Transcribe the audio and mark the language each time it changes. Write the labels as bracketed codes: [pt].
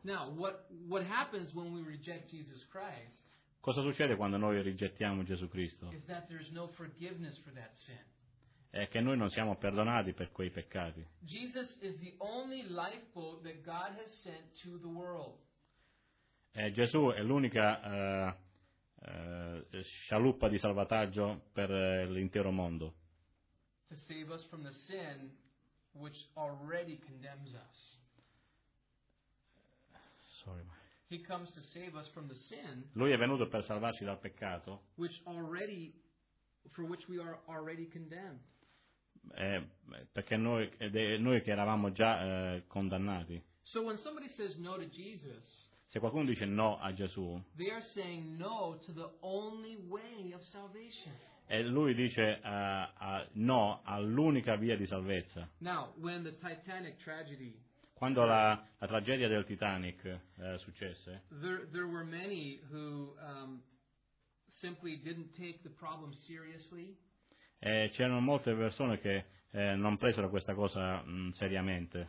[en] Now, what happens when we reject Jesus Christ? [it] Cosa succede quando noi rigettiamo Gesù Cristo? [en] Is that there's no forgiveness for that sin. [it] È che noi non siamo perdonati per quei peccati. [en] Jesus is the only lifeboat that God has sent to the world. [it] Gesù è l'unica scialuppa di salvataggio per l'intero mondo. [en] To save us from the sin which already condemns us. Sorry. He comes to save us from the sin. [it] Lui è venuto per salvarci dal peccato. [en] Which already, for which we are already condemned. [it] Perché noi che eravamo già condannati. [en] So when somebody says no to Jesus, [it] se qualcuno dice no a Gesù, [en] they are saying no to the only way of salvation. [it] E lui dice no all'unica via di salvezza. [en] Now, when the Titanic tragedy, [it] quando la tragedia del Titanic successe, [en] there were many who simply didn't take the problem seriously. [it] C'erano molte persone che non presero questa cosa seriamente.